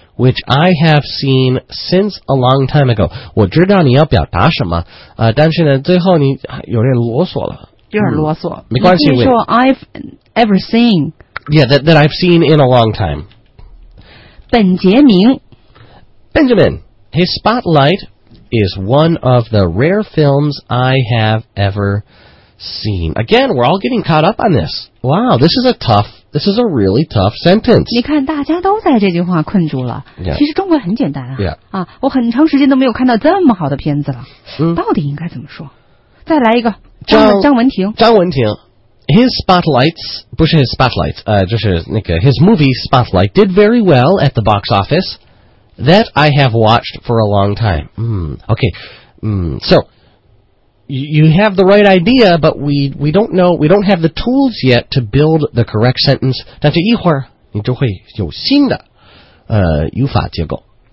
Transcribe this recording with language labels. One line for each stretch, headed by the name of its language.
English: Which I have seen since a long time ago.
Chinese: 我知道你要表达什么、但是呢最后你有点啰嗦了。有点啰嗦。没关系。你可以说
English: I've ever seen. Yeah, that I've seen in a long time.
Chinese: 本杰明。
English: Benjamin, his Spotlight is one of the rare films I have ever seen. Again, we're all getting caught up on this. Wow, this is a really tough sentence.
Chinese: 你看大家都在这句话困住了。
English: Yeah.
Chinese: 其实中文很简单啊。
English: Yeah.
Chinese: 啊，我很长时间都没有看到这么好的片子了。 Mm. 到底应该怎么说？再来一个。张文婷。
English: 张文婷。His Spotlights,
Chinese: 不是
English: His Spotlights,
Chinese: 就是那个
English: His movie Spotlight did very well at the box office that I have watched for a long time. Okay. So,You have the right idea, but we don't know, we don't have the tools yet to build the correct sentence.
Chinese: 但是一会儿你就会有新的语法结构。